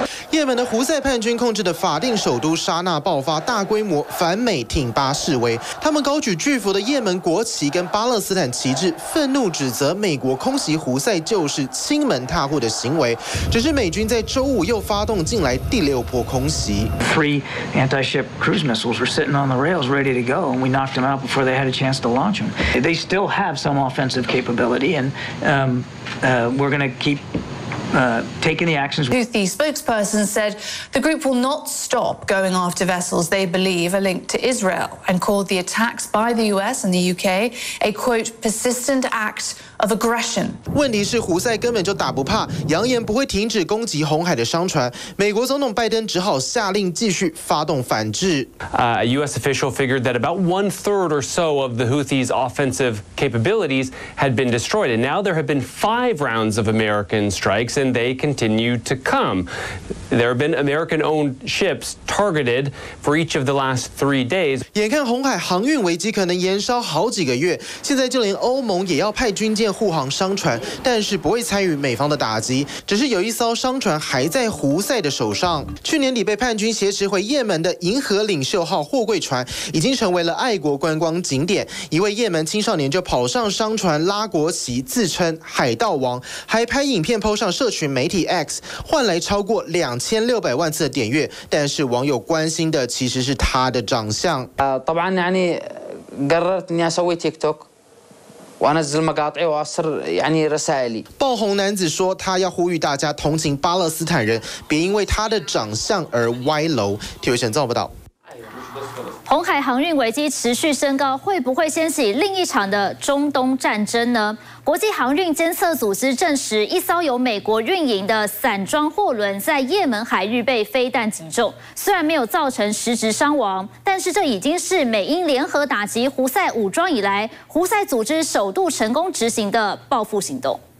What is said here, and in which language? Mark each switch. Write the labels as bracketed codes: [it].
[zh] 也门的胡塞叛军控制的法定首都沙那爆发大规模反美挺巴示威，他们高举巨幅的也门国旗跟巴勒斯坦旗帜，愤怒指责美国空袭胡塞就是亲门踏户的行为。只是美军在周五又发动近来第6波空袭。 [en] 3 anti-ship cruise missiles were sitting on the rails ready to go, and we knocked them out before they had a chance to launch them. They still have some offensive capability, and we're going to keep. Taking the actions. Houthi spokesperson said the group will not stop going after vessels they believe are linked to Israel and called the attacks by the US and the UK a quote persistent act. [zh] 问题是胡塞根本就打不怕，扬言不会停止攻击红海的商船，美国总统拜登只好下令继续发动反制。 A U.S. official figured that about 1/3 or so of the Houthis' offensive capabilities had been destroyed, and now there have been 5 rounds of American strikes, and they continue to come. There have been American-owned ships targeted for each of the last 3 days. 眼看红海航运危机可能延烧好几个月，现在就连欧盟也要派军。军舰护航商船，但是不会参与美方的打击，只是有一艘商船还在胡塞的手上。去年底被叛军挟持回也门的银河领袖号货柜船已经成为了爱国观光景点，一位也门青少年就跑上商船拉国旗，自称海盗王，还拍影片 po 上社群媒体 X， 换来超过2600万次的点阅。但是网友关心的其实是他的长相。 [ar] طبعا يعني قررت اني اسوي تيك توكوأنزل مقاطعي وأسر يعني رسائلي. [zh] 爆红男子说，他要呼吁大家同情巴勒斯坦人，别因为他的长相而歪楼。体育新闻报道。红海航运危机持续升高，会不会掀起另一场的中东战争呢？国际航运监测组织证实，一艘由美国运营的散装货轮在也门海域被飞弹击中，虽然没有造成实质伤亡，但是这已经是美英联合打击胡塞武装以来，胡塞组织首度成功执行的报复行动。